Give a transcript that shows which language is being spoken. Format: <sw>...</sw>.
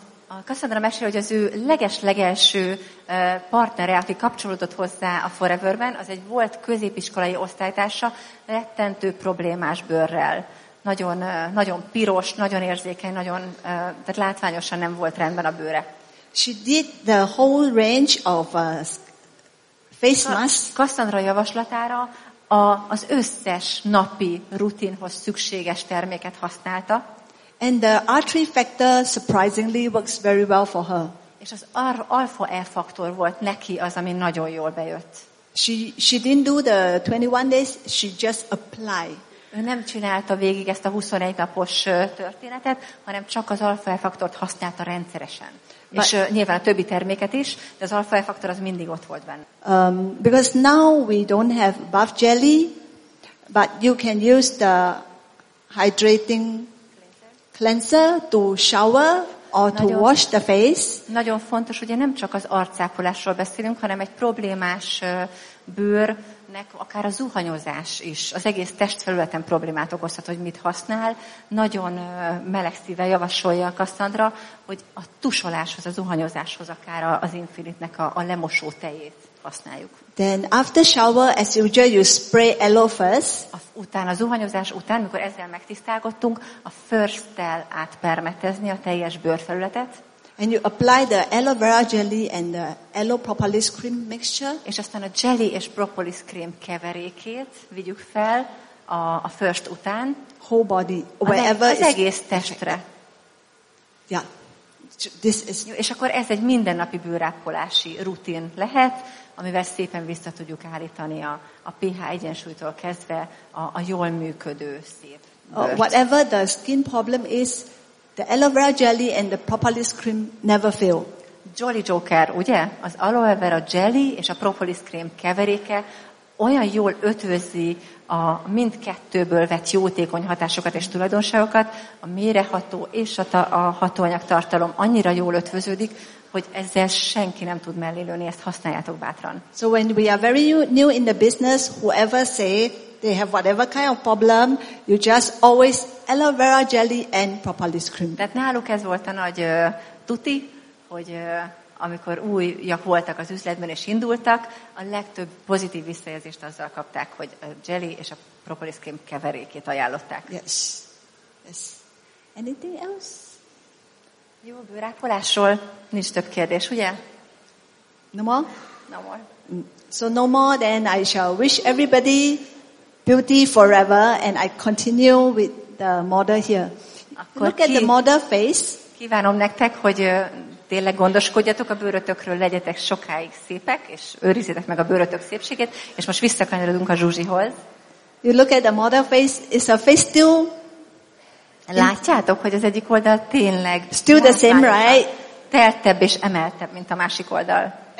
<hu>A Cassandra mesél, hogy az ő leges-legelső partnere, aki kapcsolódott hozzá a Foreverben, az egy volt középiskolai osztálytársa, rettentő problémás bőrrel. Nagyon, nagyon piros, nagyon érzékeny, nagyon, tehát látványosan nem volt rendben a bőre.</hu> <en>She did the whole range of face mask.</en> <hu>Cassandra javaslatára az összes napi rutinhoz szükséges terméket használta.</hu> <en>And the R3 factor surprisingly works very well for her.</en> <hu>És az alfa E faktor volt neki az, ami nagyon jól bejött.</hu> <en>She didn't do the 21 days, she just apply.</en> <hu>Ő nem csinálta végig ezt a 21 napos történetet, hanem csak az alfa E faktort használta rendszeresen.</hu> <en>But,</en> <hu>és nyilván a többi terméket is, de az alfa E faktor az mindig ott volt benne.</hu> <en>Because now we don't have buff jelly, but you can use the hydrating cleanser to shower or to wash the face.</en> <hu>Nagyon fontos, ugye nem csak az arcápolásról beszélünk, hanem egy problémás bőrnek akár a zuhanyozás is. Az egész testfelületen problémát okozhat, hogy mit használ. Nagyon meleg szívvel javasolja a Cassandra, hogy a tusoláshoz, a zuhanyozáshoz akár az Infinite-nek a lemosó tejét használjuk.</hu> <en>Then after shower, as usual, you spray aloe first.</en> <hu>Utána, zuhanyozás után, mikor ezzel megtisztálgottunk, a first-tel átpermetezni a teljes bőrfelületet.</hu> <en>And you apply the aloe vera jelly and the aloe propolis cream mixture.</en> <hu>És aztán a jelly és propolis cream keverékét vigyük fel a first után.</hu> <en>Whole body, wherever.</en> <hu>Az egész testre.</hu> <en>Okay. Yeah. This is...</en> <hu>Jó, és akkor ez egy mindennapi bőrápolási rutin lehet, amivel szépen vissza tudjuk állítani a pH egyensúlytól kezdve a jól működő szép bőrt.</hu> <en>Whatever the skin problem is, the aloe vera jelly and the propolis cream never fail.</en> <hu>Jolly Joker, ugye? Az aloe vera jelly és a propolis cream keveréke olyan jól ötvözi a mindkettőből vett jótékony hatásokat és tulajdonságokat, a méreható és a hatóanyag tartalom annyira jól ötvöződik, hogy ezzel senki nem tud mellélőni, ezt használjátok bátran.</hu> <en>So when we are very new in the business, whoever say they have whatever kind of problem, you just always aloe vera jelly and propolis cream.</en> <hu>Tehát náluk ez volt a nagy tuti, hogy amikor újjak voltak az üzletben és indultak, a legtöbb pozitív visszajelzést azzal kapták, hogy a jelly és a propolis cream keverékét ajánlották.</hu> <en>Yes. Yes. Anything else?</en> <hu>Jó, a bőrápolásról nincs több kérdés, ugye?</hu> <en>No more? No more. So no more, then I shall wish everybody beauty forever, and I continue with the model here.</en> <hu>Akkor</hu> <en>look at the model face.</en> <hu>Kívánom nektek, hogy tényleg gondoskodjatok a bőrötökről, legyetek sokáig szépek, és őrizzétek meg a bőrötök szépségét, és most visszakanyarodunk a Zsuzsihoz.</hu> <en>You look at the model face, is a face still...</en> <hu>Látjátok, hogy az egyik oldal tényleg</hu> <en>still the same, right?</en> <hu>Teltebb és emeltebb, mint a másik oldal.</hu>